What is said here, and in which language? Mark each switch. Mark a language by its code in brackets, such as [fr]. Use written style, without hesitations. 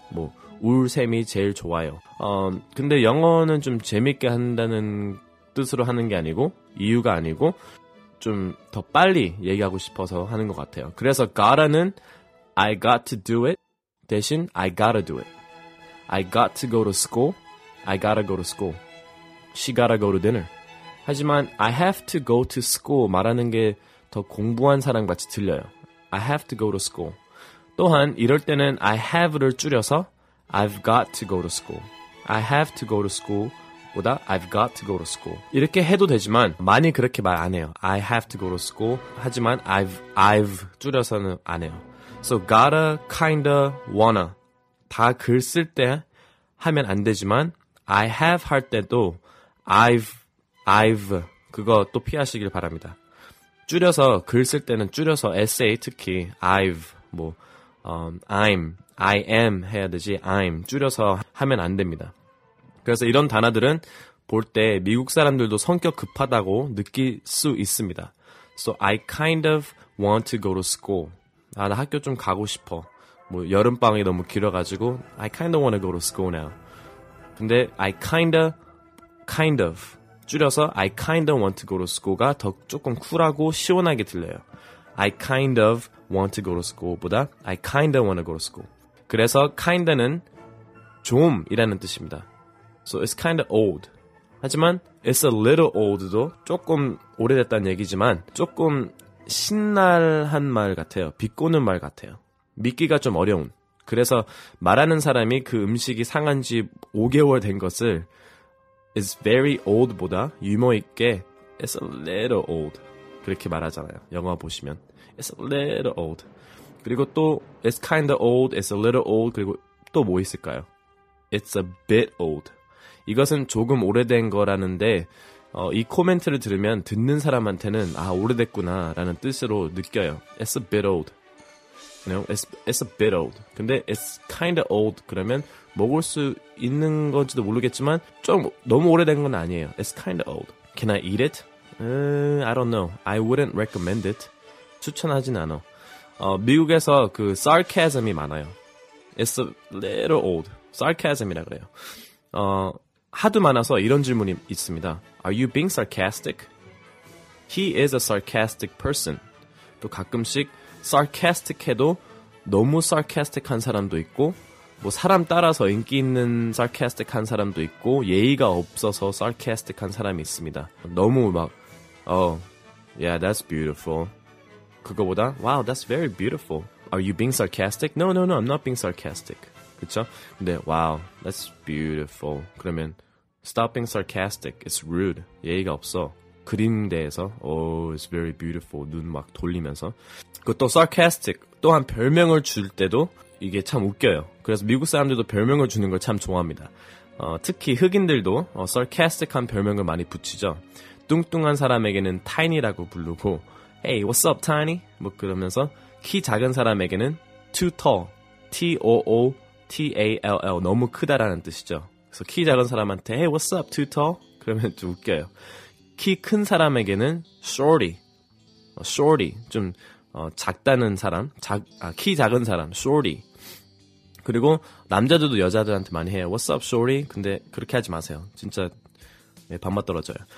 [ko] 뭐 울샘이 제일 좋아요. 근데 영어는 좀 재밌게 한다는 뜻으로 하는 게 아니고 이유가 아니고 좀 더 빨리 얘기하고 싶어서 하는 것 같아요. 그래서 [en] gotta는 I got to do it [ko] 대신 [en] I gotta do it. I got to go to school. I gotta go to school. She gotta go to dinner. [ko] 하지만 [en] I have to go to school [ko] 말하는 게 더 공부한 사람 같이 들려요. [en] I have to go to school. [ko] 또한 이럴 때는 [en] I have [ko] 를 줄여서 [en] I've got to go to school. I have to go to school [ko] 보다 [en] I've got to go to school. [ko] 이렇게 해도 되지만 많이 그렇게 말 안 해요. [en] I have to go to school. [ko] 하지만 I've 줄여서는 안 해요. [en] So gotta, kinda, wanna [ko] 다 글 쓸 때 하면 안 되지만 I have 할 때도 I've 그거 또 피하시길 바랍니다. 줄여서 글 쓸 때는 줄여서 에세이 특히 I've 뭐 I'm, I am 해야 되지 I'm 줄여서 하면 안 됩니다. 그래서 이런 단어들은 볼 때 미국 사람들도 성격 급하다고 느낄 수 있습니다. [en] So I kind of want to go to school. [ko] 아, 나 학교 좀 가고 싶어. 뭐 여름방학이 너무 길어가지고 [en] I kind of want to go to school now. [ko] 근데 [en] I kind of [ko] 줄여서 [en] I kind of want to go to school가 [ko] 더 조금 쿨하고 시원하게 들려요. [en] I kind of want to go to school [ko] 보다 [en] I kind of want to go to school. [ko] 그래서 kind는 좀이라는 뜻입니다. [en] So it's kind of old. [ko] 하지만 [en] it's a little old [ko] 도 조금 오래됐다는 얘기지만 조금 신랄한 말 같아요. 비꼬는 말 같아요. 믿기가 좀 어려운. 그래서 말하는 사람이 그 음식이 상한 지 5개월 된 것을 [en] It's very old [ko] 보다 유머 있게 [en] It's a little old [ko] 그렇게 말하잖아요. 영화 보시면 [en] It's a little old. [ko] 그리고 또 [en] it's kind of old, it's a little old, [ko] 그리고 또 뭐 있을까요? [en] It's a bit old. [ko] 이것은 조금 오래된 거라는데 이 코멘트를 들으면 듣는 사람한테는 아 오래됐구나 라는 뜻으로 느껴요. [en] It's a bit old. You know, it's a bit old. [ko] 근데 it's kind of old 그러면 먹을 수 있는 건지도 모르겠지만 좀 너무 오래된 건 아니에요. [en] It's kind of old. Can I eat it? I don't know. I wouldn't recommend it. [ko] 추천하진 않아. 미국에서 그 sarcasm이 많아요. [en] It's a little old. [ko] Sarcasm이라 그래요. 하도 많아서 이런 질문이 있습니다. [en] Are you being sarcastic? He is a sarcastic person. [ko] 또 가끔씩 sarcastic해도 너무 sarcastic한 사람도 있고 뭐 사람 따라서 인기 있는 sarcastic한 사람도 있고 예의가 없어서 sarcastic한 사람이 있습니다. 너무 막 [en] Oh, yeah, that's beautiful. [ko] 그거보다 [en] Wow, that's very beautiful. Are you being sarcastic? No, no, no, I'm not being sarcastic. [ko] 그쵸? 근데 [en] Wow, that's beautiful. [ko] 그러면 [en] Stop being sarcastic. It's rude. [ko] 예의가 없어. 그림대에서 [en] Oh, it's very beautiful. [ko] 눈 막 돌리면서 그 또 sarcastic 또한 별명을 줄 때도 이게 참 웃겨요. 그래서 미국 사람들도 별명을 주는 걸 참 좋아합니다. 특히 흑인들도 sarcastic한 별명을 많이 붙이죠. 뚱뚱한 사람에게는 tiny라고 부르고 [en] Hey, what's up, tiny? [ko] 뭐 그러면서 키 작은 사람에게는 too tall, T-O-O-T-A-L-L 너무 크다라는 뜻이죠. 그래서 키 작은 사람한테 [en] Hey, what's up, too tall? [ko] 그러면 좀 웃겨요. 키 큰 사람에게는 shorty, shorty 좀 작다는 사람, 키 작은 사람, shorty. 그리고 남자들도 여자들한테 많이 해요. [en] What's up, shorty? [ko] 근데 그렇게 하지 마세요. 진짜 네, 반맛 떨어져요.